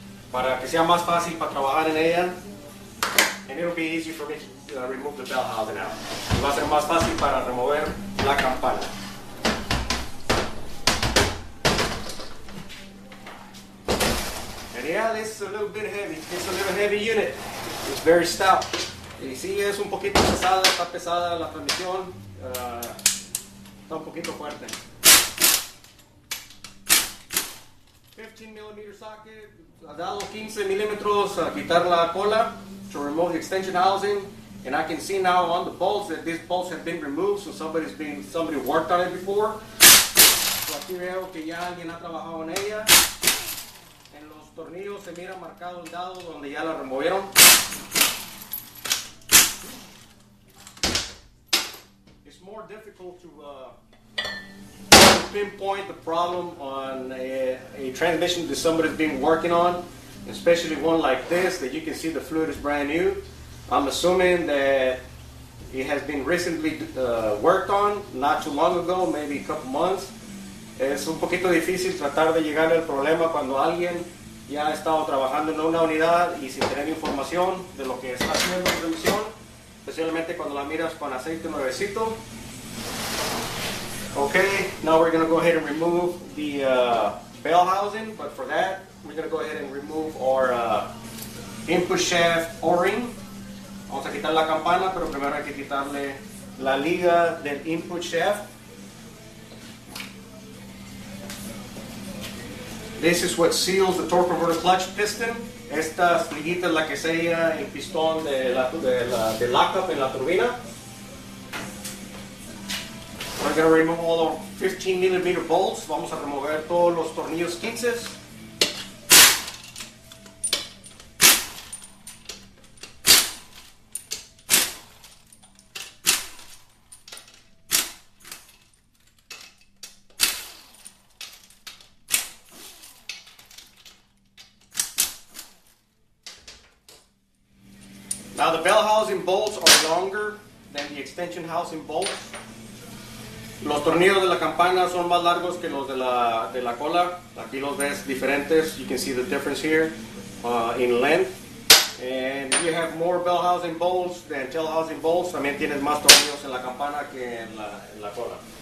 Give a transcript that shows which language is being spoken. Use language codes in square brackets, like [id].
[es] Para que sea más fácil para trabajar en ella. [en] And it'll be easier for me to remove the bell housing out. [es] Y va a ser más fácil para remover la campana. [en] And yeah, this is a little bit heavy. It's a little heavy unit. It's very stout. [es] Y sí, es un poquito pesada. Está pesada la transmisión. Está un poquito fuerte. [en] 15mm socket. [es] Ha dado 15mm a quitar la cola [en] to remove the extension housing. And I can see now on the bolts that these bolts have been removed, so somebody worked on it before. [es] So aquí veo que ya alguien ha trabajado en ella. En los tornillos se mira marcado el dado donde ya la removieron. [en] more difficult to pinpoint the problem on a transmission that somebody's been working on, especially one like this, that you can see the fluid is brand new. I'm assuming that it has been recently worked on, not too long ago, maybe a couple months. [es] Es un poquito difícil tratar de llegar al problema cuando alguien ya ha estado trabajando en una unidad y sin tener información de lo que está haciendo la transmisión, especialmente cuando la miras con aceite nuevecito. [en] Okay, now we're going to go ahead and remove the bell housing, but for that, we're going to go ahead and remove our input shaft O-ring. [es] Vamos a quitar la campana, pero primero hay que quitarle la liga del input shaft. [en] This is what seals the torque converter clutch piston. [es] Esta liguita es la que sella el pistón de lockup en la turbina. [en] We're going to remove all our 15 millimeter bolts. [es] Vamos a remover todos los tornillos 15. [en] Now the bell housing bolts are longer than the extension housing bolts. [es] Los tornillos de la campana son más largos que los de la cola. Aquí los ves diferentes. [en] You can see the difference here in length. And you have more bell housing bolts than tail housing bolts. [es] También tienes más tornillos en la campana que en la cola.